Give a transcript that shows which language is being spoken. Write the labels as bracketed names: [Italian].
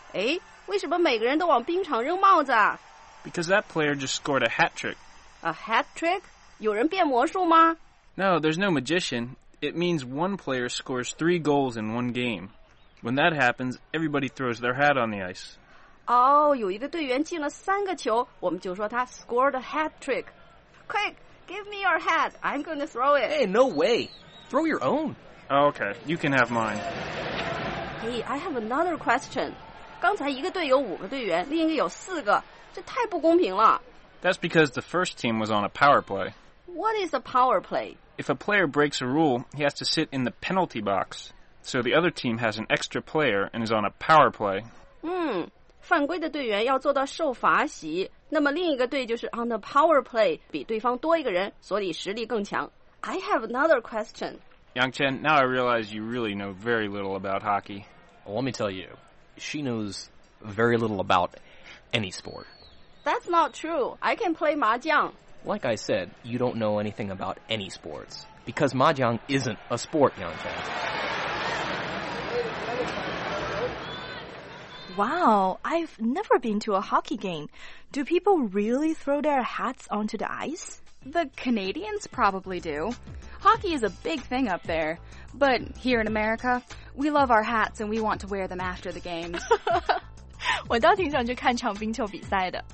[Chinese] 诶，为什么每个人都往冰场扔帽子啊？ [English] Because that player just scored a hat trick. A hat trick? [Chinese] 有人变魔术吗？ [English] No, there's no magician. It means one player scores 3 goals in one game. When that happens, everybody throws their hat on the ice. Oh, [Chinese] 有一个队员进了3个球，我们就说他 [English] scored a hat trick. Quick! Give me your hat. I'm going to throw it. Hey, no way. Throw your own. Okay, you can have mine. Hey, I have another question. [Chinese] 刚才一个队有五个队员，另一个有四个，这太不公平了。 [English] That's because the first team was on a power play. What is a power play? If a player breaks a rule, he has to sit in the penalty box. So the other team has an extra player and is on a power play. [Chinese] 犯规的队员要坐到受罚席，那么另一个队就是 on the power play， 比对方多一个人，所以实力更强。 [English] I have another question. Yangchen, now I realize you really know very little about hockey. Well, let me tell you, she knows very little about any sport. That's not true. I can play mahjong. Like I said, you don't know anything about any sports. Because mahjong isn't a sport, Yangchen. Wow, I've never been to a hockey game. Do people really throw their hats onto the ice? The Canadians probably do. Hockey is a big thing up there. But here in America, we love our hats and we want to wear them after the games. [Chinese] 我倒挺想去看场冰球比赛的。